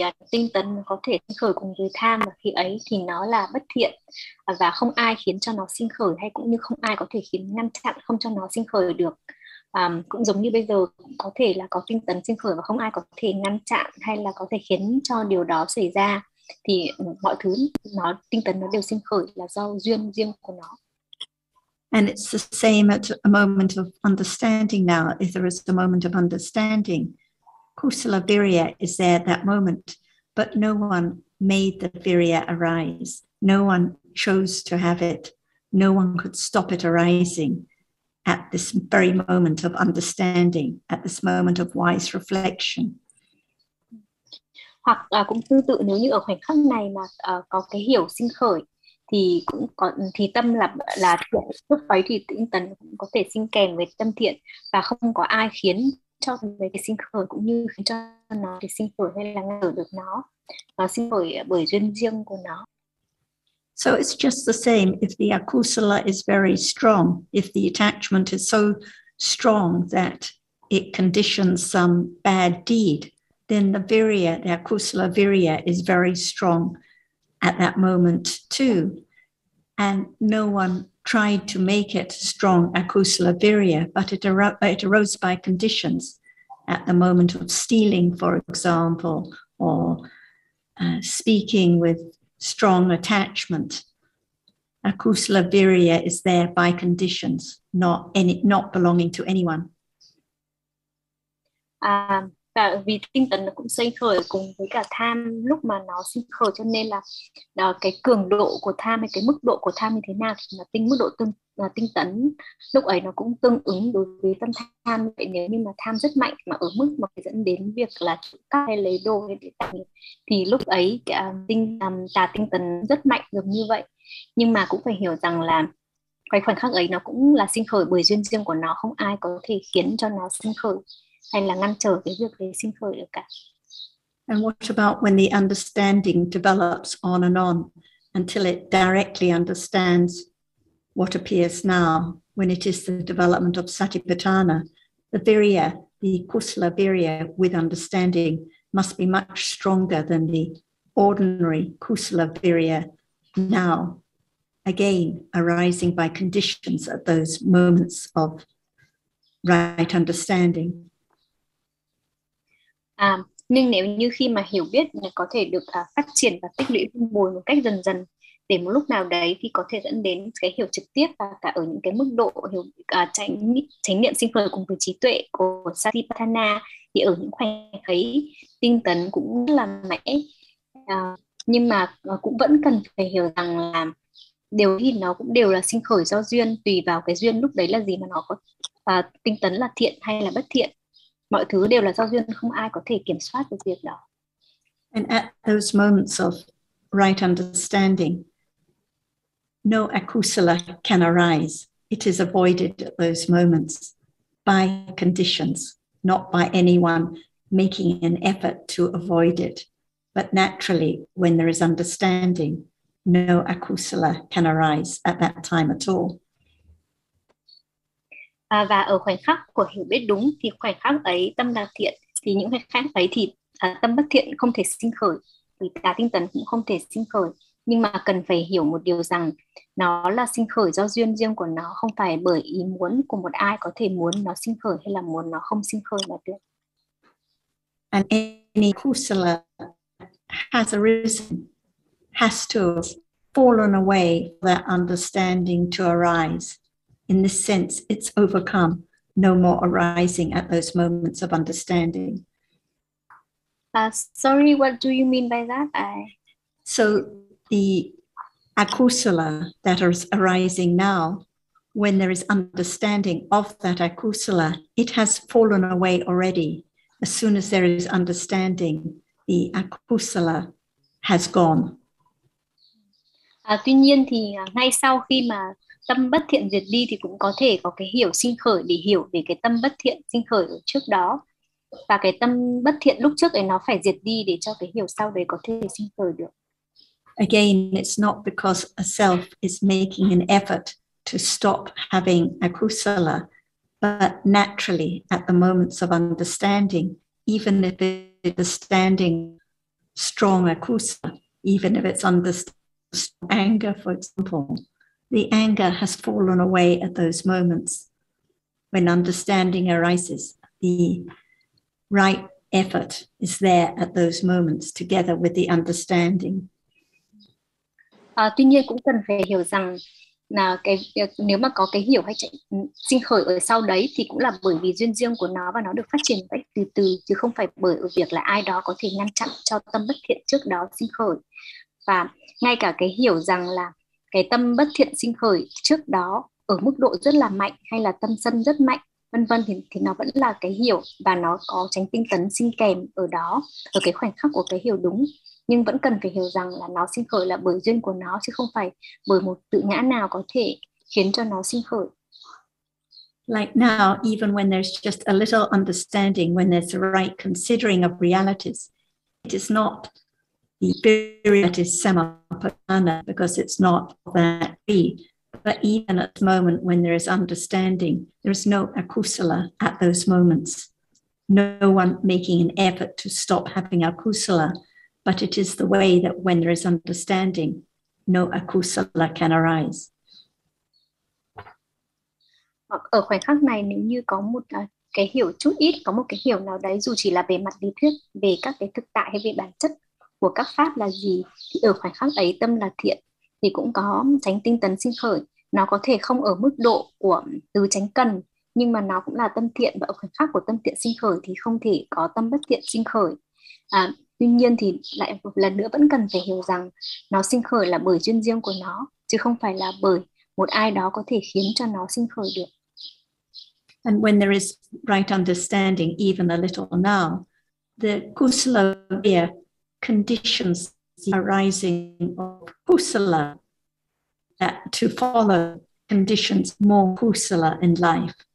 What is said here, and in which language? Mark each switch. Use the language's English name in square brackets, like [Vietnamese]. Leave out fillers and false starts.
[Vietnamese] Tinh tấn có thể sinh khởi cùng với tham, và khi ấy thì nó là bất thiện và không ai khiến cho nó sinh khởi, hay cũng như không ai có thể khiến ngăn chặn không cho nó sinh khởi được. Cũng giống như bây giờ có thể là có tinh tấn sinh khởi và không ai có thể ngăn chặn hay là có thể khiến cho điều đó xảy ra, thì mọi thứ nó tinh tấn nó đều sinh khởi là do duyên riêng của nó. [English] And it's the same at a moment of understanding now. If there is a moment of understanding, kusala virya is there at that moment, but no one made the virya arise. No one chose to have it. No one could stop it arising at this very moment of understanding, at this moment of wise reflection. [Vietnamese] Hoặc cũng tương tự, nếu như ở khoảnh khắc này mà có cái hiểu sinh khởi, thì cũng có thì tâm là thiện. Lúc ấy thì tinh tấn cũng có thể sinh kèm với tâm thiện, và không có ai khiến cho về cái sinh khởi cũng như khiến cho nó cái sinh khởi hay là ngăn được nó. Nó sinh khởi bởi duyên riêng của nó. [English] So it's just the same if the akusala is very strong, if the attachment is so strong that it conditions some bad deed, then the virya, the akusala virya is very strong at that moment too. And no one tried to make it strong akusala virya, but it arose by conditions at the moment of stealing, for example, or speaking with strong attachment. Akusala virya is there by conditions, not belonging to anyone. [Vietnamese] Và vì tinh tấn nó cũng sinh khởi cùng với cả tham lúc mà nó sinh khởi, cho nên là cái cường độ của tham hay cái mức độ của tham như thế nào thì là tinh mức độ tương là tinh tấn lúc ấy nó cũng tương ứng đối với tâm tham. Vậy nếu như mà tham rất mạnh mà ở mức mà dẫn đến việc là trộm cắp hay lấy đồ hay thì lúc ấy tinh tấn rất mạnh giống như vậy, nhưng mà cũng phải hiểu rằng là cái khoảnh khắc ấy nó cũng là sinh khởi bởi duyên riêng của nó, không ai có thể khiến cho nó sinh khởi hay là ngăn trở cái việc đấy sinh khởi được cả. [English] And what about when the understanding develops on and on until it directly understands what appears now, when it is the development of satipatthana, the virya, the kusala virya with understanding must be much stronger than the ordinary kusala virya now, again, arising by conditions at those moments of right understanding. [Vietnamese] Nhưng nếu như khi mà hiểu biết có thể được phát triển và tích lũy trong bồi một cách dần dần, để một lúc nào đấy thì có thể dẫn đến cái hiểu trực tiếp và cả ở những cái mức độ hiểu chánh niệm sinh khởi cùng với trí tuệ của Satipatthana, thì ở những khoảnh khắc tinh tấn cũng là mạnh. Nhưng mà cũng vẫn cần phải hiểu rằng là điều thì nó cũng đều là sinh khởi do duyên, tùy vào cái duyên lúc đấy là gì mà nó có tinh tấn là thiện hay là bất thiện. Mọi thứ đều là do duyên, không ai có thể kiểm soát được việc đó. [English] And at those moments of right understanding, no akusala can arise. It is avoided at those moments by conditions, not by anyone making an effort to avoid it. But naturally, when there is understanding, no akusala can arise at that time at all. [Vietnamese] Và ở khoảnh khắc của hiểu biết đúng thì khoảnh khắc ấy tâm là thiện, thì những khoảnh khắc ấy thì tâm bất thiện không thể sinh khởi, thì cả tinh tấn cũng không thể sinh khởi. Nhưng mà cần phải hiểu một điều rằng nó là sinh khởi do duyên riêng của nó, không phải bởi ý muốn của một ai có thể muốn nó sinh khởi hay là muốn nó không sinh khởi là được. [English] And any kusala has arisen, has to have fallen away that understanding to arise. In this sense, it's overcome, no more arising at those moments of understanding. Sorry, what do you mean by that? So the akusala that is arising now, when there is understanding of that akusala, it has fallen away already. As soon as there is understanding, the akusala has gone. [Vietnamese] Tuy nhiên thì ngay sau khi mà tâm bất thiện diệt đi thì cũng có thể có cái hiểu sinh khởi để hiểu về cái tâm bất thiện sinh khởi ở trước đó. Và cái tâm bất thiện lúc trước ấy nó phải diệt đi để cho cái hiểu sau đấy có thể sinh khởi được. [English] Again, it's not because a self is making an effort to stop having akusala, but naturally at the moments of understanding, even if it's understanding strong akusala, even if it's understanding anger, for example, the anger has fallen away at those moments when understanding arises. The right effort is there at those moments together with the understanding. [Vietnamese] Tuy nhiên cũng cần phải hiểu rằng là nếu mà có cái hiểu hay sinh khởi ở sau đấy thì cũng là bởi vì duyên riêng của nó và nó được phát triển một cách từ từ, chứ không phải bởi việc là ai đó có thể ngăn chặn cho tâm bất thiện trước đó sinh khởi. Và ngay cả cái hiểu rằng là cái tâm bất thiện sinh khởi trước đó ở mức độ rất là mạnh hay là tâm sân rất mạnh vân vân thì nó vẫn là cái hiểu và nó có chánh tinh tấn sinh kèm ở đó, ở cái khoảnh khắc của cái hiểu đúng, nhưng vẫn cần phải hiểu rằng là nó sinh khởi là bởi duyên của nó chứ không phải bởi một tự ngã nào có thể khiến cho nó sinh khởi. [English] Like now, even when there's just a little understanding, when there's a right considering of realities, it is not the theory that is samapatthana, because it's not that be. But even at the moment when there is understanding, there is no akusala at those moments. No one making an effort to stop having akusala, but it is the way that when there is understanding, no akusala can arise. [Vietnamese] Ở khoảnh khắc này, nếu như có một cái hiểu chút ít, có một cái hiểu nào đấy, dù chỉ là về mặt lý thuyết, về các cái thực tại hay về bản chất của các pháp là gì, thì ở khoảnh khắc ấy tâm là thiện thì cũng có chánh tinh tấn sinh khởi. Nó có thể không ở mức độ của từ chánh cần, nhưng mà nó cũng là tâm thiện, và ở khoảnh khắc của tâm thiện sinh khởi thì không thể có tâm bất thiện sinh khởi. Tuy nhiên thì lại một lần nữa vẫn cần phải hiểu rằng nó sinh khởi là bởi duyên riêng của nó, chứ không phải là bởi một ai đó có thể khiến cho nó sinh khởi được. [English] And when there is right understanding, even a little now, the kusala via conditions the arising of kusala that to follow conditions more kusala in life.